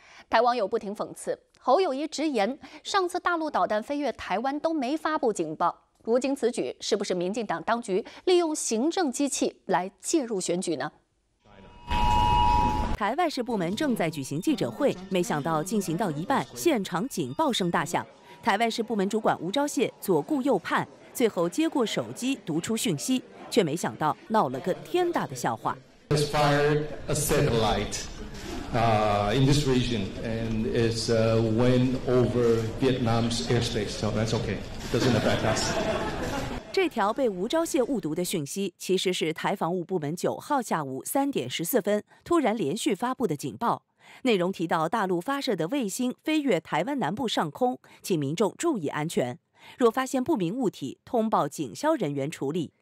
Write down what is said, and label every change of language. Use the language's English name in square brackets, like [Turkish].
[Chinese] 台网友不停讽刺，侯友宜直言，上次大陆导弹飞越台湾都没发布警报，如今此举是不是民进党当局利用行政机器来介入选举呢？台外事部门正在举行记者会，没想到进行到一半，现场警报声大响。台外事部门主管吴钊燮左顾右盼，最后接过手机读出讯息，却没想到闹了个天大的笑话。 [English] Just fired a satellite, in this region, and it's went over Vietnam's airspace. So that's okay. Doesn't affect us. [Chinese] 这条被吴钊燮误读的讯息，其实是台防务部门9号下午3:14突然连续发布的警报，内容提到大陆发射的卫星飞越台湾南部上空，请民众注意安全，若发现不明物体，通报警消人员处理。